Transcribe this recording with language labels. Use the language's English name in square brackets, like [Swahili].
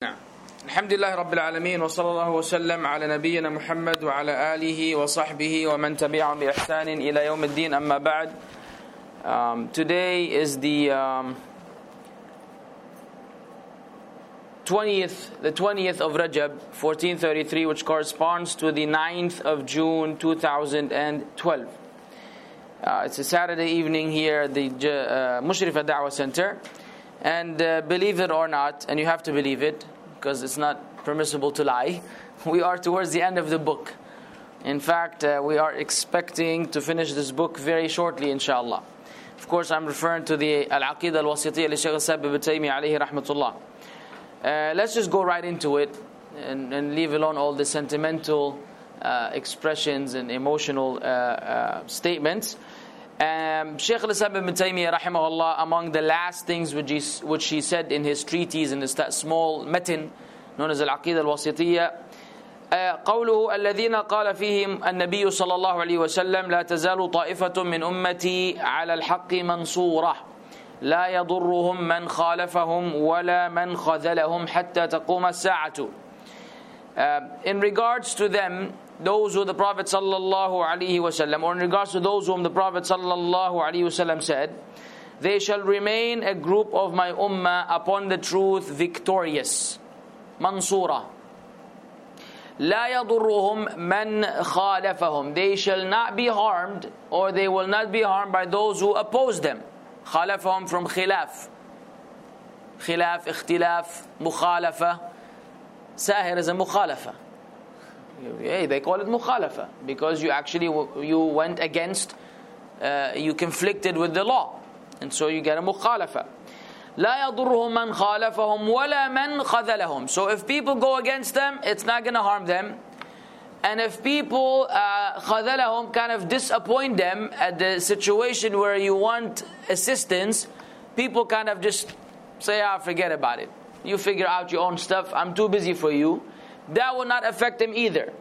[Arabic] الحمد لله رب العالمين وصلى الله وسلم على نبينا محمد وعلى آله وصحبه ومن تبعهم بإحسان إلى يوم الدين أما بعد. [English] Today is the 20th of Rajab 1433, which corresponds to the 9th of June 2012. It's a Saturday evening here at the Mushrifa Da'wah Center, and believe it or not, and you have to believe it because it's not permissible to lie, we are towards the end of the book. In fact, we are expecting to finish this book very shortly, inshallah. Of course, I'm referring to the Al-Aqidah Al-Wasitiyya li Shaykh Al-Sabi Ibn Taymiyyah alayhi rahmatullah. Let's just go right into it and leave alone all the sentimental expressions and emotional statements. Shaykh Al-Sabi Ibn Taymiyyah rahimahullah, among the last things which he said in his treatise, in his small matin known as Al-Aqidah Al-Wasitiyya, [Arabic] قوله الذين قال فيهم النبي صلى الله عليه وسلم لا تزال طائفة من أمتي على الحق منصورة لا يضرهم من خالفهم ولا من خذلهم حتى تقوم الساعة. [English] In regards to them, those who the Prophet sallallahu alaihi wasallam, or in regards to those whom the Prophet sallallahu alaihi wasallam said, they shall remain a group of my ummah upon the truth victorious, mansura. [Arabic] لا يضرهم من خالفهم. [English] They shall not be harmed, or they will not be harmed by those who oppose them. [Arabic] خالفهم from خلاف. خلاف, اختلاف, مخالفة. [English] ساهر is a مخالفة. Hey, they call it مخالفه because you actually went against, you conflicted with the law, and so you get a مخالفه. [Arabic] لا يضرهم من خالفهم ولا من خذلهم. [English] So if people go against them, it's not going to harm them, and if people خذلهم, kind of disappoint them at the situation where you want assistance, people kind of just say, "Ah, forget about it. You figure out your own stuff. I'm too busy for you." That will not affect them either.